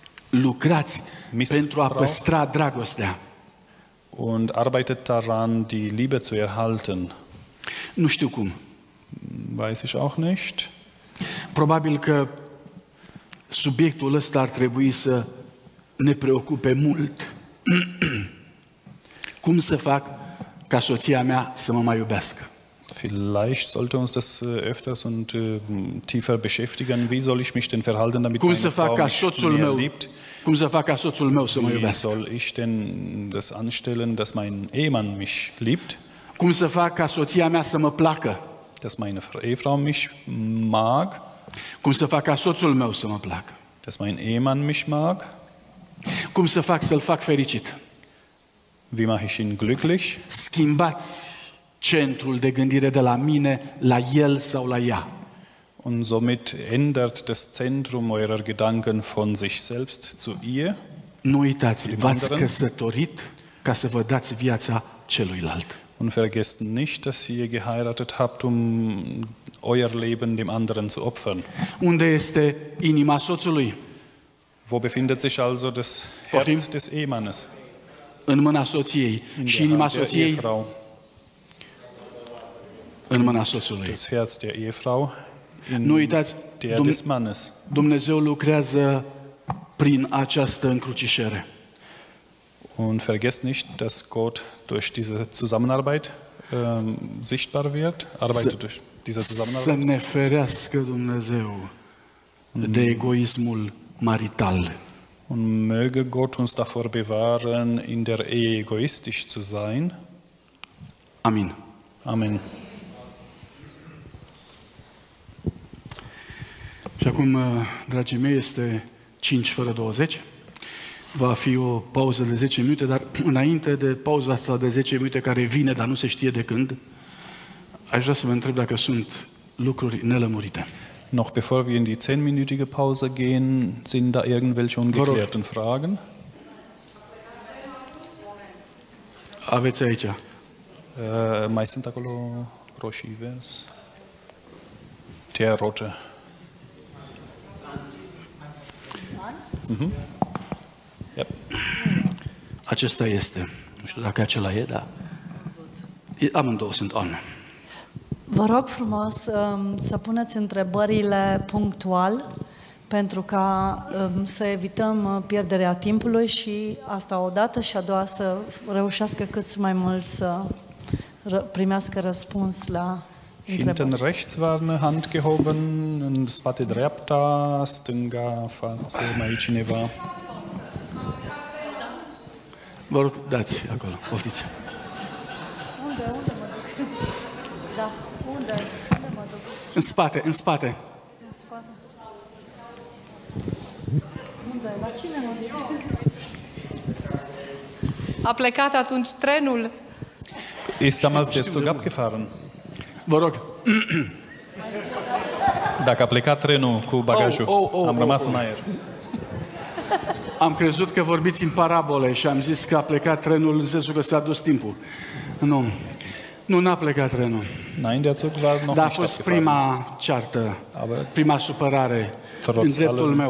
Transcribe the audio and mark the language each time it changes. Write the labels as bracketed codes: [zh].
[ro] Lucrați pentru a păstra dragostea. [de] Und arbeitet daran, die Liebe zu erhalten. [ro] Nu știu cum. [de] Weiß ich auch nicht. [ro] Probabil că subiectul ăsta ar trebui să ne preocupe mult. Cum să fac ca soția mea să mă mai iubească? [de] Vielleicht sollte uns das öfters und tiefer beschäftigen. Wie soll ich mich denn verhalten, damit cum meine Frau mich soțul mehr liebt? [ro] Cum să fac ca soțul meu să mă iubească? [de] Wie soll ich denn das anstellen, dass mein Ehemann mich liebt? [ro] Cum să fac ca soția mea să mă placă? [de] Dass meine Ehefrau mich mag? [ro] Cum să fac ca soțul meu să mă placă? [de] Dass mein Ehemann mich mag? [ro] Cum să fac să-l fac fericit? [de] Wie mache ich ihn glücklich? [ro] Schimbați centrul de gândire de la mine la el sau la ea. [de] Und somit ändert das Zentrum eurer Gedanken von sich selbst zu ihr. [ro] Nu uitați, v-ați căsătorit ca să vă dați viața celuilalt. [de] Und vergesst nicht, dass ihr geheiratet habt, um euer Leben dem anderen zu opfern. [ro] Unde este inima soțului? [de] Wo befindet sich also das Herz des Ehemannes? [ro] În mâna soției și inima soției. În mâna soțului. [de] Das Herz der Ehefrau. [ro] Nu uitați, [de] des Mannes. [ro] Dumnezeu lucrează prin această încrucișare. [de] Und vergesst nicht, dass Gott durch diese Zusammenarbeit sichtbar wird, arbeitet durch diese Zusammenarbeit. [ro] Să ne ferească Dumnezeu de egoismul marital. [de] Und möge Gott uns davor bewahren, in der Ehe egoistisch zu sein. [ro] Amen. [de] Amen. [ro] Și acum, dragii mei, este 5 fără 20. Va fi o pauză de 10 minute, dar înainte de pauza asta de 10 minute care vine, dar nu se știe de când, aș vrea să vă întreb dacă sunt lucruri nelămurite. [de] Noch bevor wir in die 10-minütige Pause gehen, sind da irgendwelche ungeklärten Fragen? [ro] Aveți aici. Mai sunt acolo roșii vers. [de] Der rote. [ro] Mm-hmm. Yep. Acesta este. Nu știu dacă acela e, dar amândouă sunt on. Vă rog frumos să puneți întrebările punctual, pentru ca să evităm pierderea timpului și asta o dată și a doua să reușească cât mai mult să primească răspuns la întrebări. [de] Hinten rechts war eine Hand gehoben und es war die [ro] dreapta, stânga, față, mai cineva. Vă rog, dați acolo, poftiți. Unde, unde mă duc? Da, unde, unde mă duc? În spate, în spate. În spate. Unde, la cine mă duc? A plecat atunci trenul. [de] Ist damals der Zug abgefahren? [ro] Vă rog. Dacă a plecat trenul cu bagajul, am rămas în aer. Am crezut că vorbiți în parabole și am zis că a plecat trenul în sensul că s-a dus timpul. Nu. Nu, n-a plecat trenul. Dar a fost prima ceartă, prima supărare în dreptul meu.